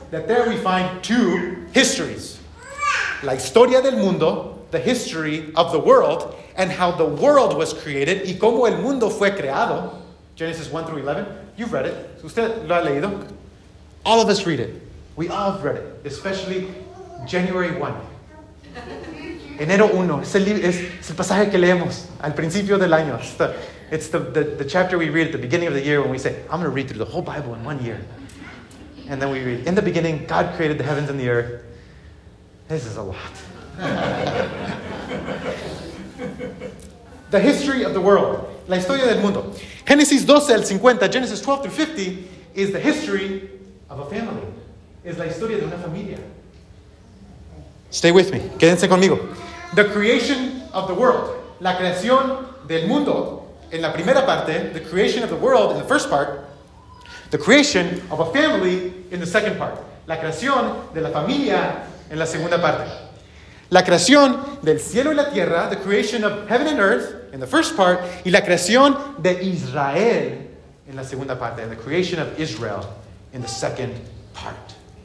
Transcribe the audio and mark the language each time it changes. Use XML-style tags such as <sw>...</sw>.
<en>That there we find two histories.</en> <es>La historia del mundo,</es> <en>the history of the world, and how the world was created,</en> <es>y cómo el mundo fue creado.</es> <en>Genesis 1 through 11. You've read it.</en> <es>¿Usted lo ha leído?</es> <en>All of us read it. We all have read it. Especially January 1.</en> <es>Enero 1. Es el pasaje que leemos al principio del año.</es> <en>It's the chapter we read at the beginning of the year when we say, I'm going to read through the whole Bible in 1 year. And then we read, in the beginning, God created the heavens and the earth. This is a lot. The history of the world.</en> <es>La historia del mundo.</es> <en>Genesis 12 al 50, Genesis 12 through 50, is the history of a family.</en> <es>Es la historia de una familia.</es> <en>Stay with me.</en> <es>Quédense conmigo.</es> <en>The creation of the world.</en> <es>La creación del mundo. En la primera parte,</es> <en>the creation of the world in the first part. The creation of a family in the second part.</en> <es>La creación de la familia en la segunda parte. La creación del cielo y la tierra,</es> <en>the creation of heaven and earth, in the first part,</en> <es>y la creación de Israel, en la segunda parte,</es> <en>and the creation of Israel, in the second part.</en>